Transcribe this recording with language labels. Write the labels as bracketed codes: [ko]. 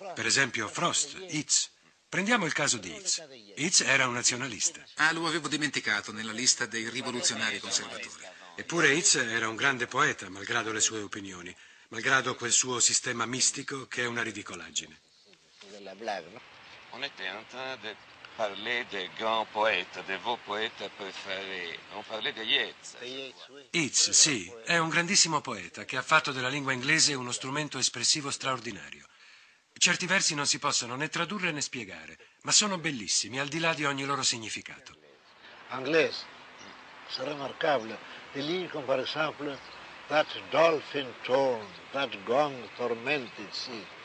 [it] Per esempio Frost, Yeats. Prendiamo il caso di Yeats. Yeats era un nazionalista. Ah, lo avevo dimenticato nella lista dei rivoluzionari conservatori. Eppure Yeats era un grande poeta, malgrado le sue opinioni, malgrado quel suo sistema mistico che è una ridicolaggine. [fr] On était en train de parler des grands poètes, de vos poètes préférés. On parlait de Yeats. [it] Yeats, sì, è un grandissimo poeta che ha fatto della lingua inglese uno strumento espressivo straordinario. Certi versi non si possono né tradurre né spiegare, ma sono bellissimi al di là di ogni loro significato. Inglese, [fr] c'est remarquable. Le lignes, comme par exemple, [en] that dolphin tone, that gong tormented sea.